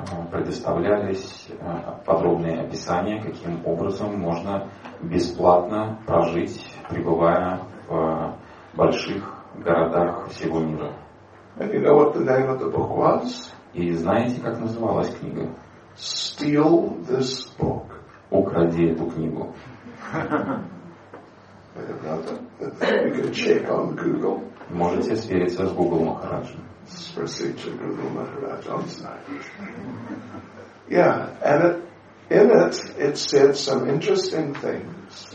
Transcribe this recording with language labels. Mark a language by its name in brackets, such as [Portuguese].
[Russian] Предоставлялись подробные описания, каким образом можно бесплатно прожить, пребывая в больших городах всего мира. [English] And you know what the name of the book was? [Russian] И знаете, как называлась книга? [English] Steal this book. [Russian] Укради эту книгу. [English] You can check on Google. [Russian] Можете свериться с Google Махараджи. [English] Procedure Guru Maharaj on Snapchat. Yeah, and it said some interesting things.